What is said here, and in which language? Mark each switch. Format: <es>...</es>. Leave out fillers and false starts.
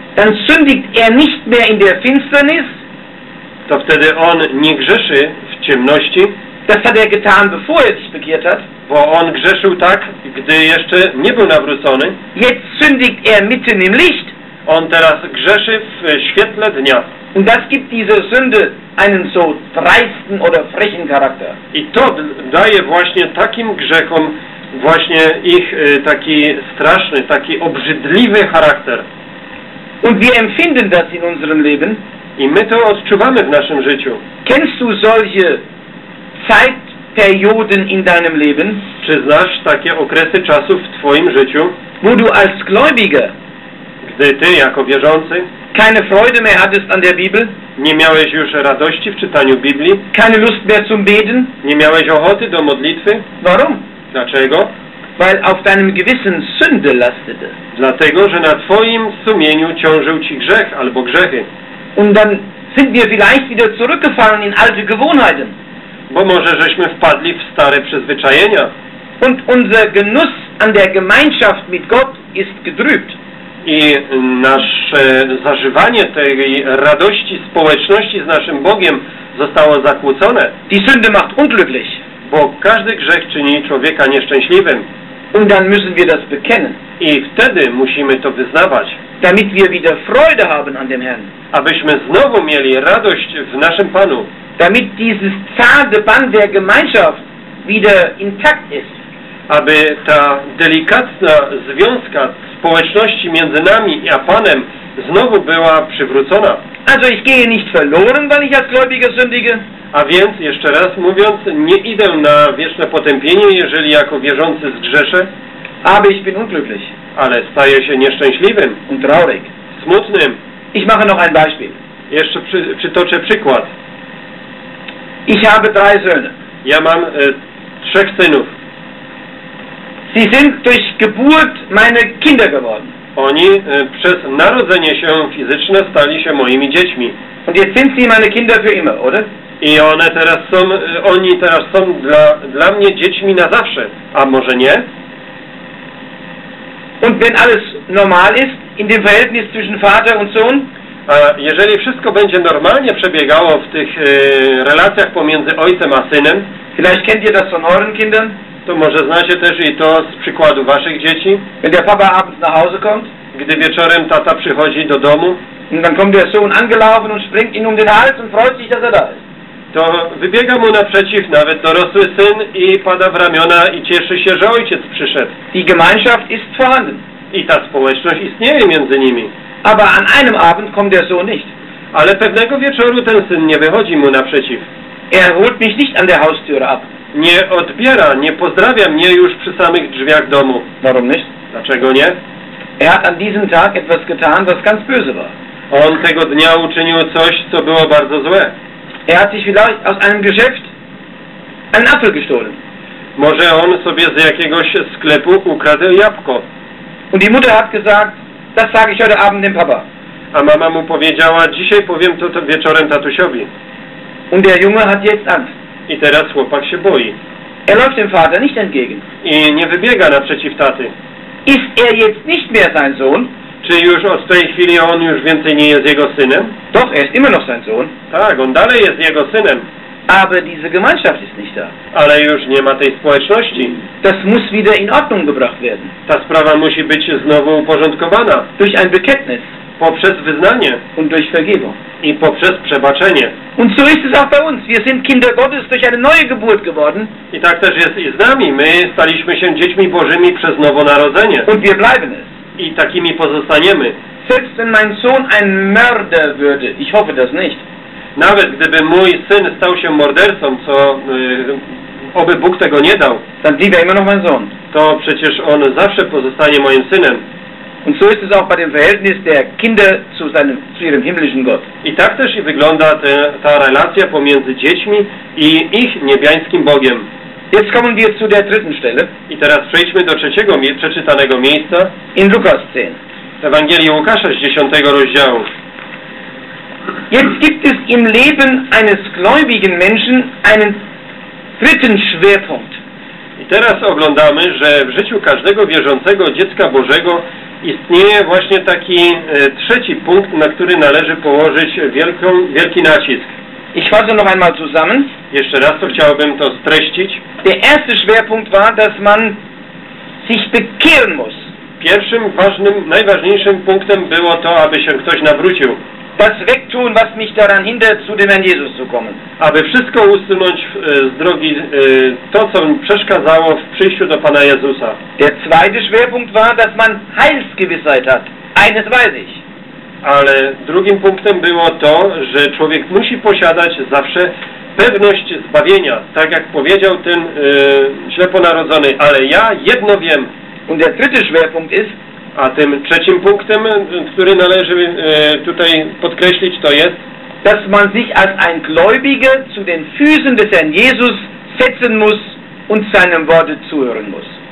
<de>dann sündigt er nicht mehr in der Finsternis.</de> <pl>To wtedy on nie grzeszy w ciemności.</pl> <de>Das hat er getan, bevor er sich bekehrt hat.</de> <pl>Bo on grzeszył tak, gdy jeszcze nie był nawrócony.</pl> <de>Jetzt sündigt er mitten im Licht.</de> <pl>On teraz grzeszy w świetle dnia.</pl> <de>Und das gibt dieser Sünde einen so dreisten oder frechen Charakter.</de> <pl>I to daje właśnie takim grzechom właśnie ich taki straszny, taki obrzydliwy charakter.</pl> <de>Und wir empfinden das in unserem Leben.</de> <pl>I my to odczuwamy w naszym życiu.</pl> <de>Kennst du solche Zeitperioden in deinem Leben?</de> <pl>Czy znasz takie okresy czasu w twoim życiu?</pl> <de>Wo du als Gläubiger,</de> <pl>gdy ty jako wierzący,</pl> <de>keine Freude mehr hattest an der Bibel,</de> <pl>nie miałeś już radości w czytaniu Biblii,</pl> <de>keine Lust mehr zum Beten,</de> <pl>nie miałeś ochoty do modlitwy.</pl> <de>Warum?</de> <pl>Dlaczego?</pl> <de>Weil auf deinem Gewissen Sünde lastete.</de> <pl>Dlatego, że na twoim sumieniu ciążył ci grzech albo grzechy.</pl> <de>Und dann sind wir vielleicht wieder zurückgefallen in alte Gewohnheiten.</de> <pl>Bo może żeśmy wpadli w stare przyzwyczajenia.</pl> <de>Und unser Genuss an der Gemeinschaft mit Gott ist getrübt.</de> <pl>I nasze zażywanie tej radości społeczności z naszym Bogiem zostało zakłócone.</pl> <de>Die Sünde macht unglücklich.</de> <pl>Bo każdy grzech czyni człowieka nieszczęśliwym.</pl> <de>Und dann müssen wir das bekennen.</de> <pl>I wtedy musimy to wyznawać.</pl> <de>Damit wir wieder Freude haben an dem Herrn.</de> <pl>Abyśmy znowu mieli radość w naszym Panu.</pl> <de>Damit dieses zarte Band der Gemeinschaft wieder intakt ist.</de> <pl>Aby ta delikatna związka społeczności między nami a Panem znowu była przywrócona.</pl> <de>Also ich gehe nicht verloren, weil ich als Gläubiger sündige.</de> <pl>A więc, jeszcze raz mówiąc, nie idę na wieczne potępienie, jeżeli jako wierzący zgrzeszę.</pl> <de>Aber ich bin unglücklich.</de> <pl>Ale staję się nieszczęśliwym.</pl> <de>Und traurig.</de> <pl>Smutnym.</pl> <de>Ich mache noch ein Beispiel.</de> <pl>Jeszcze przytoczę przykład.</pl> <de>Ich habe drei Söhne.</de> <pl>Ja mam trzech synów.</pl> <de>Sie sind durch Geburt meine Kinder geworden.</de> <pl>Oni przez narodzenie się fizyczne stali się moimi dziećmi.</pl> <de>Und jetzt sind sie meine Kinder für immer, oder?</de> <pl>I one teraz są, oni teraz są dla mnie dziećmi na zawsze. A może nie?</pl> <de>Und wenn alles normal ist in dem Verhältnis zwischen Vater und Sohn?</de> <pl>A jeżeli wszystko będzie normalnie przebiegało w tych relacjach pomiędzy ojcem a synem,</pl> <de>vielleicht kennt ihr das von euren Kindern?</de> <pl>To może znacie też i to z przykładu waszych dzieci.</pl> <de>Wenn der Papa abends nach Hause kommt,</de> <pl>gdy wieczorem tata przychodzi do domu,</pl> <de>und dann kommt der Sohn angelaufen und springt ihn um den Hals und freut sich, dass er da ist.</de> <pl>To wybiega mu naprzeciw nawet dorosły syn i pada w ramiona i cieszy się, że ojciec przyszedł.</pl> <de>Die Gemeinschaft ist vorhanden.</de> <pl>I ta społeczność istnieje między nimi.</pl> <de>Aber an einem Abend kommt der Sohn nicht.</de> <pl>Ale pewnego wieczoru ten syn nie wychodzi mu naprzeciw.</pl> <de>Er holt mich nicht an der Haustür ab.</de> <pl>Nie odbiera, nie pozdrawia mnie już przy samych drzwiach domu.</pl> <de>Warum nicht?</de> <pl>Dlaczego nie?</pl> <de>Er hat an diesem Tag etwas getan, was ganz böse war.</de> <pl>On tego dnia uczynił coś, co było bardzo złe.</pl> <de>Er hat sich vielleicht aus einem Geschäft einen Apfel gestohlen.</de> <pl>Może on sobie z jakiegoś sklepu ukradł jabłko.</pl> <de>Und die Mutter hat gesagt, das sage ich heute Abend dem Papa.</de> <pl>A mama mu powiedziała, dzisiaj powiem to wieczorem tatusiowi.</pl> <de>Und der Junge hat jetzt Angst.</de> <pl>I teraz chłopak się boi.</pl> <de>Er läuft dem Vater nicht entgegen.</de> <pl>I nie wybiega naprzeciw taty.</pl> <de>Ist er jetzt nicht mehr sein Sohn?</de> <pl>Czy już od tej chwili on już więcej nie jest jego synem?</pl> <de>Doch, er ist immer noch sein Sohn.</de> <pl>Tak, on dalej jest jego synem.</pl> <de>Aber diese Gemeinschaft ist nicht da.</de> <pl>Ale już nie ma tej społeczności.</pl> <de>Das muss wieder in Ordnung gebracht werden.</de> <pl>Ta sprawa musi być znowu uporządkowana.</pl> <de>Durch ein Bekenntnis.</de> <pl>Poprzez wyznanie.</pl> <de>Und durch Vergebung.</de> <pl>I poprzez przebaczenie.</pl> <de>Und so ist es auch bei uns. Wir sind Kinder Gottes durch eine neue Geburt geworden.</de> <pl>I tak też jest i z nami. My staliśmy się dziećmi Bożymi przez nowonarodzenie.</pl> <de>Und wir bleiben es.</de> <pl>I takimi pozostaniemy.</pl> <de>Selbst wenn mein Sohn ein Mörder würde, ich hoffe das nicht.</de> <pl>Nawet gdyby mój syn stał się mordercą, co oby Bóg tego nie dał,</pl> <de>dann blieb er immer noch mein Sohn.</de> <pl>To przecież on zawsze pozostanie moim synem.</pl> <de>Und so ist es auch bei dem Verhältnis der Kinder zu seinem, zu ihrem himmlischen Gott.</de> <pl>I tak też i wygląda ta relacja pomiędzy dziećmi i ich niebiańskim Bogiem.</pl> <de>Jetzt kommen wir zu der dritten Stelle.</de> <pl>I teraz przejdźmy do trzeciego przeczytanego miejsca.</pl> <de>In Lukas 10.</de> <pl>W Ewangelii Łukasza z 10 rozdziału.</pl> <de>Jetzt gibt es im Leben eines gläubigen Menschen einen dritten Schwerpunkt.</de> <pl>I teraz oglądamy, że w życiu każdego wierzącego dziecka Bożego istnieje właśnie taki trzeci punkt, na który należy położyć wielki nacisk.</pl> <de>Ich fasse noch einmal zusammen.</de> <pl>Jeszcze raz to chciałbym to streścić.</pl> <de>Der erste Schwerpunkt war, dass man sich bekehren muss.</de> <pl>Pierwszym ważnym, najważniejszym punktem było to, aby się ktoś nawrócił.</pl> <de>Das wegtun, was mich daran hindert, zu dem Herrn Jesus zu kommen.</de> <pl>Aby wszystko usunąć z drogi to, co mi przeszkadzało w przyjściu do Pana Jezusa.</pl> <de>Der zweite Schwerpunkt war, dass man Heilsgewissheit hat. Eines weiß ich.</de> <pl>Ale drugim punktem było to, że człowiek musi posiadać zawsze pewność zbawienia. Tak jak powiedział ten ślepo narodzony, ale ja jedno wiem.</pl> <de>Und der dritte Schwerpunkt ist,</de> <pl>a tym trzecim punktem, który należy tutaj podkreślić, to jest,</pl> <de>dass man sich als ein Gläubiger zu den Füßen des Herrn Jesus setzen muss und seinem Worte zuhören muss.</de>